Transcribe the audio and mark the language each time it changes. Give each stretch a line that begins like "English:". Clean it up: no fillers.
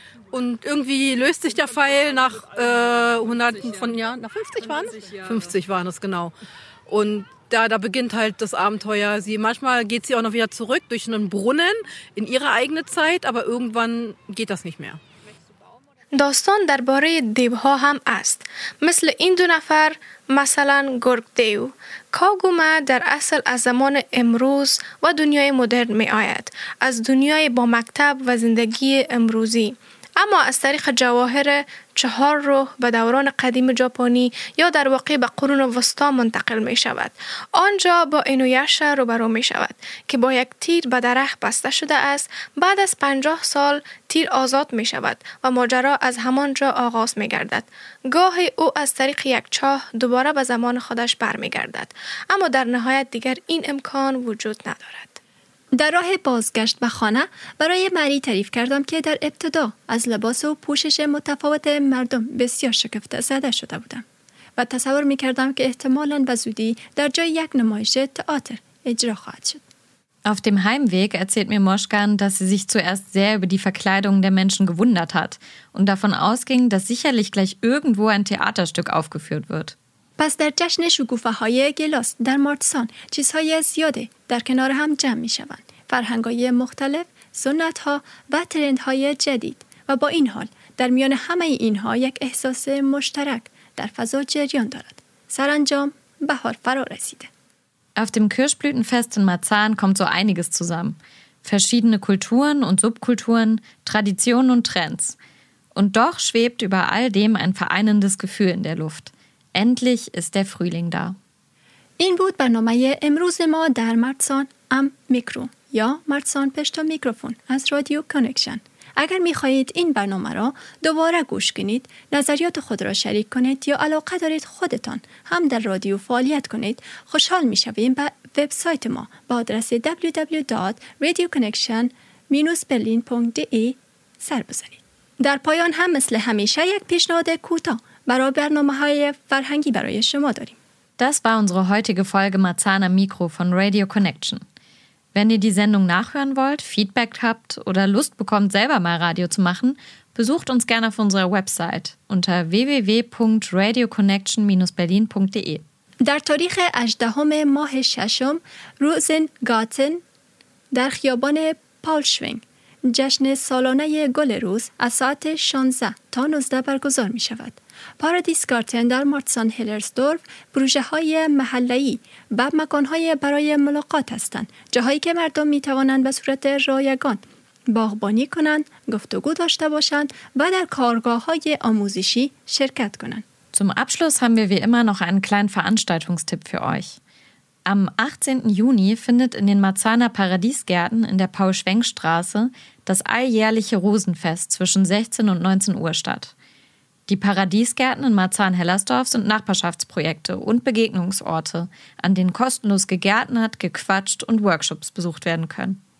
German: Und irgendwie löst sich der Pfeil nach hunderten von Jahren. Nach 50 waren es? 50 waren es, genau. Und da beginnt halt das Abenteuer. Manchmal geht sie auch noch wieder zurück durch einen Brunnen in ihre eigene Zeit, aber irgendwann geht das nicht mehr.
Persian: داستان درباره دیوها هم است. مثل این دو نفر، مثلا گرگ دیو. کاگوما در اصل از زمان امروز و دنیای مدرن می آید. از دنیای با مکتب و زندگی امروزی. اما از طریق جواهر 4 روح به دوران قدیم ژاپنی یا در واقع به قرون وسطا منتقل می شود. آنجا با اینویاشا روبرو می شود که با یک تیر به درخت بسته شده است. بعد از 50 سال تیر آزاد می شود و ماجرا از همانجا آغاز می گردد. گاهی او از طریق یک چاه دوباره به زمان خودش بر می گردد. اما در نهایت دیگر این امکان وجود ندارد. در راه بازگشت به خانه برای ماری تعریف کردم که در ابتدا از لباس و پوشش متفاوت مردم بسیار شگفت زده شده بودم و تصور می کردم که احتمالاً به زودی در جای یک نمایش تئاتر اجرا خواهد شد.
German: Auf dem Heimweg erzählt mir Moschkan, dass sie sich zuerst sehr über die Verkleidung der Menschen gewundert hat und davon ausging, dass sicherlich gleich irgendwo ein Theaterstück aufgeführt wird.
Persian: پس در جشن شکوفه های گلاس در مارتسان چیزهای زیاده در کنار هم جمع می شوند. فرهنگ‌های مختلف، سنت ها و ترند های جدید و با این حال در میان همه اینها یک احساس مشترک در فضا جریان دارد. سرانجام بهار فرا رسیده.
German: Auf dem Kirschblütenfest in Marzahn kommt so einiges zusammen. Verschiedene Kulturen und Subkulturen, Traditionen und Trends. Und doch schwebt über all dem ein vereinendes Gefühl in der Luft. Endlich ist der Frühling da.
Persian: این بود برنامه امروز ما در مارتسان ام میکرو یا مارتسان پشت میکروفون از رادیو کانکشن. اگر میخواهید این برنامه را دوباره گوش کنید، نظریات خود را شریک کنید یا علاقه دارید خودتان هم در رادیو فعالیت کنید، خوشحال میشویم به وبسایت ما با آدرس www.radioconnection-berlin.de سر بزنید. در پایان هم مثل همیشه یک پیشنهاد کوتاه برای برنامه‌های فرهنگی برای شما داریم.
German: Das war unsere heutige Folge Marzahn am Mikro von Radio Connection. Wenn ihr die Sendung nachhören wollt, Feedback habt oder Lust bekommt, selber mal Radio zu machen, besucht uns gerne auf unserer Website unter www.radioconnection-berlin.de.
Persian: در تاریخ 18 ماه ششم روزن گاتن در خیابان پالشوینگ جشن سالانه گل روز از ساعت 16 تا 19 برگزار می شود. پارادیس گارتن در مارتسان هلرزدورف بروژه های محلی و مکان های برای ملاقات هستند. جاهایی که مردم می توانند به صورت رایگان باغبانی کنند، گفتگو داشته باشند و در کارگاه های آموزشی شرکت کنند.
German: Zum Abschluss haben wir wie immer noch einen kleinen Veranstaltungstipp für euch. Am 18. Juni findet in den Marzahner Paradiesgärten in der Paul-Schwenk-Straße das alljährliche Rosenfest zwischen 16 und 19 Uhr statt. Die Paradiesgärten in Marzahn-Hellersdorf sind Nachbarschaftsprojekte und Begegnungsorte, an denen kostenlos gegärtnert, gequatscht und Workshops besucht werden können.